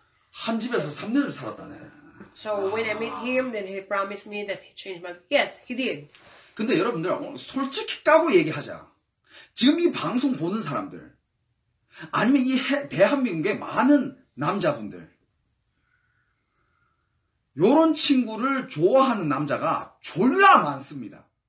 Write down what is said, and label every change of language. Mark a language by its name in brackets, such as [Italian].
[Korean] 한 집에서 3년을 살았다네. [English] So when I meet him, then he promised me that he changed my... Yes, he did. [Korean] 근데 여러분들, 솔직히 까고 얘기하자. 지금 이 방송 보는 사람들, 아니면 이 대한민국의 많은 남자분들, 요런 친구를 좋아하는 남자가 졸라 많습니다.